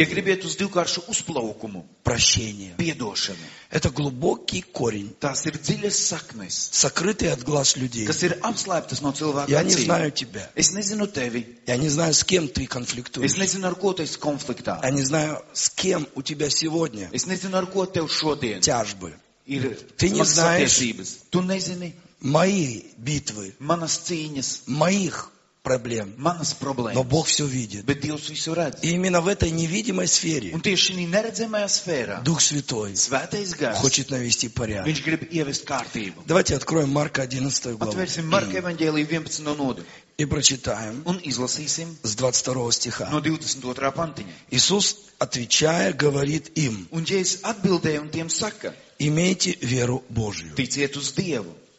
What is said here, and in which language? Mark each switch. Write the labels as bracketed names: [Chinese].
[Latvian] Ja gribiet uz divkāršu uzplaukumu. [Russian] Прощение. [Latvian] Piedošana. [Russian] Это глубокий корень. [Latvian] Tās ir dziļas saknes. [Russian] Сокрытые от глаз людей. [Latvian] Kas ir apslēptas no cilvēka acīm. [Russian] Я не знаю тебя. [Latvian] Es nezinu tevi. [Russian] Я не знаю, с кем ты конфликтуешь. [Latvian] Es nezinu, ar ko tu esi konfliktā. [Russian] Я не знаю, с кем у тебя сегодня. [Latvian] Es nezinu, ar ko tev šodien. [Russian] Тяжбы. [Latvian] Ir [Russian] ты не знаешь. [Latvian] Tu nezini. [Russian] Мои битвы, [Latvian] manas cīņas, [Russian] моих проблем, [Latvian] manas problēmas, [Russian] но Бог все видит. [Latvian] Bet Dievs visu redz. [Russian] И именно в этой невидимой сфере, [Latvian] un tieši šī neredzamajā sfērā, [Russian] Дух Святой, [Latvian] Svētais Gars, [Russian] хочет навести порядок. [Latvian] Viņš grib ievest kārtību. [Russian] Давайте откроем Марка 11 главу. Отверсим Марка Евангелие 11 нодо. И прочитаем. [Latvian] Un izlasīsim. [Russian] С 22 стиха. [Latvian] No 22 pantiņa. [Russian] Иисус, отвечая, говорит им. [Latvian] Un Jēzus atbildēja un tiem saka. [Russian] Имейте веру Божию. [Latvian] Ticiet uz Dievu.